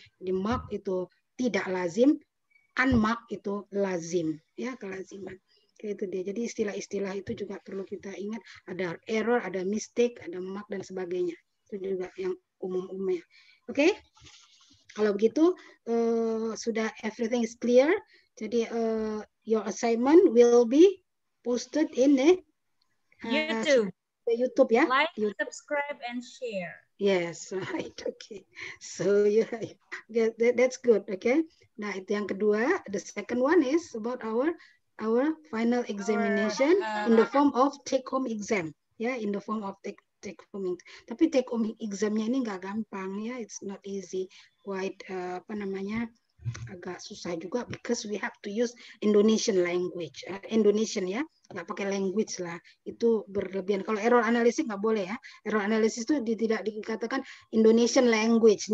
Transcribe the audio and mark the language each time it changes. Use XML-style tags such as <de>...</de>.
<id>Jadi mark itu tidak lazim, unmark itu lazim, ya kelaziman. Itu dia. Jadi istilah-istilah itu juga perlu kita ingat. Ada error, ada mistake, ada mark dan sebagainya. Itu juga yang umum-umum ya. Oke? Kalau begitu sudah everything is clear.</id> <en>Jadi your assignment will be posted in the YouTube ya. Like, YouTube. Subscribe, and share. Yes, right. Okay. So that's good. Okay.</en> <id>Nah, itu yang kedua.</id> <en>The second one is about our final examination in the form of take home exam. Yeah, in the form of take home.</en> <id>Tapi take home examnya ini nggak gampang ya.</id> <en>It's not easy. Quite apa namanya? Agak susah juga because we have to use Indonesian language.</en> <id>Indonesian ya, nggak pakai language lah. Itu berlebihan. Kalau error analysis nggak boleh ya. Error analysis itu tidak dikatakan Indonesian language.</id>